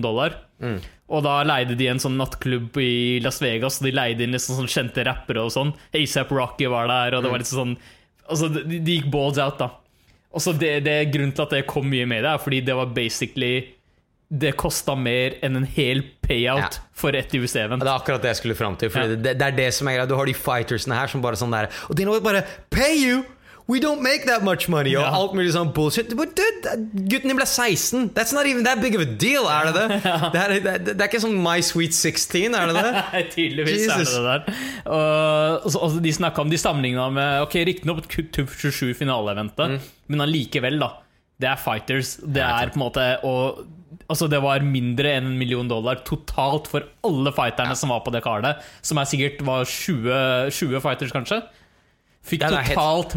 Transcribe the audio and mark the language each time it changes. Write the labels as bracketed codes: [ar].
[no] Og da leide de en sånn nattklubb i Las Vegas. Og de leide inn liksom sånn kjente rappere og sånn. A$AP Rocky var der. Og det var litt sånn, altså de gikk [en] balls out [no] da. Og så det grunnen til at det kom mye med det er fordi det var basically det kostet mer enn en hel payout ja. For et UFC-event. Det er akkurat det jeg skulle frem til, for ja. det er det som er greit. Du har de fightersene her som bare sånn der, og de bare, [en] pay you! We don't make that much money, [no] og ja. Alt mulig sånn bullshit. [en] But dude, [no] gutten din ble 16. [en] That's not even that big of a deal, [no] er det det? Ja. Det er ikke sånn [en] my sweet 16, [no] er det det? Tydeligvis Jesus. Er det det der. Og de snakket om, de sammenlignet med, ok, riktig nok 27-finale-eventet, men likevel da, det er fighters. Det er på en måte å... Altså det var mindre enn $1,000,000 totalt for alle fighterne ja. Som var på det kartet, som er sikkert var 20 fighters kanskje. Fikk totalt helt...